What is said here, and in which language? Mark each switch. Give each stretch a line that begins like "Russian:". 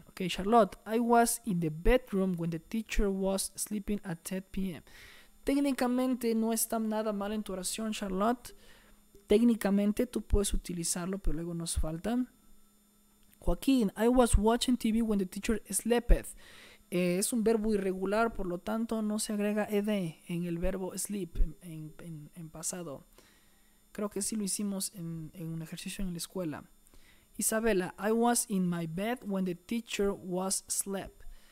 English: Ok, Charlotte, I was in the bedroom when the teacher was sleeping at 10 p.m.
Spanish: Técnicamente no está nada mal en tu oración, Charlotte. Técnicamente tú puedes utilizarlo, pero luego nos falta.
English: Joaquín, I was watching TV when the teacher slept.
Spanish: Es un verbo irregular, por lo tanto no se agrega ed en el verbo sleep en pasado. Creo que sí lo hicimos en un ejercicio en la escuela.
English: Isabela, I was in my bed when the teacher was asleep.